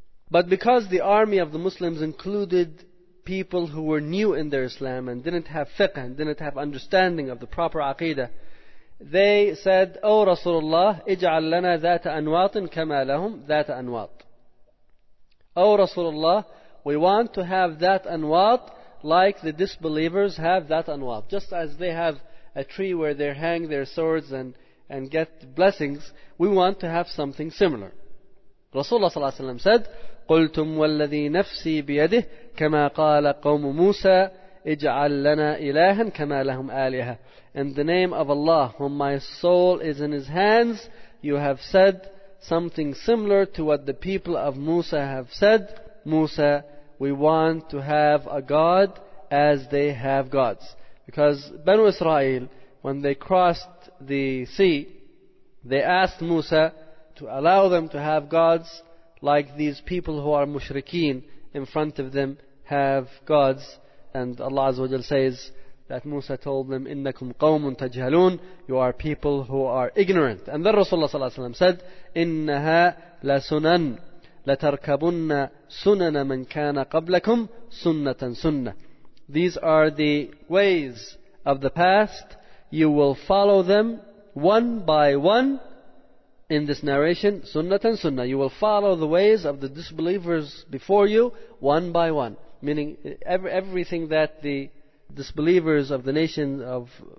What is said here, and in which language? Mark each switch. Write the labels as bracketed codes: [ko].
[en] But because the army of the Muslims included people who were new in their Islam and didn't have fiqh and didn't have understanding of the proper aqidah, they said, O Rasulullah, [ar] اجعل لنا ذات أنواط كما لهم ذات أنواط. [en] O Rasulullah, we want to have ذات أنواط like the disbelievers have ذات أنواط. Just as they have a tree where they hang their swords and get blessings, we want to have something similar. Rasulullah sallallahu alayhi wa sallam said, [ar] قُلْتُمْ وَالَّذِي نَفْسِي بِيَدِهِ كَمَا قَالَ قَوْمُ مُوسَى اِجْعَلْ لَنَا إِلَهًا كَمَا لَهُمْ آلِهَةً. [en] In the name of Allah, whom my soul is in his hands, you have said something similar to what the people of Musa have said. Musa, we want to have a god as they have gods. Because Banu Israel, when they crossed the sea, they asked Musa to allow them to have gods like these people who are mushrikeen in front of them have gods. And Allah Azza wa Jal says that Musa told them, [ar] إِنَّكُمْ قَوْمٌ تَجْهَلُونَ. [en] You are people who are ignorant. And then Rasulullah [ar] صلى الله عليه وسلم [en] said, [ar] إِنَّهَا لَسُنَنْ لَتَرْكَبُنَّ سُنَنَ مَنْ كَانَ قَبْلَكُمْ سُنَّةً سُنَّةً. [en] These are the ways of the past. You will follow them one by one. In this narration, sunnah and sunnah, you will follow the ways of the disbelievers before you, one by one. Meaning, everything that the disbelievers of the nation of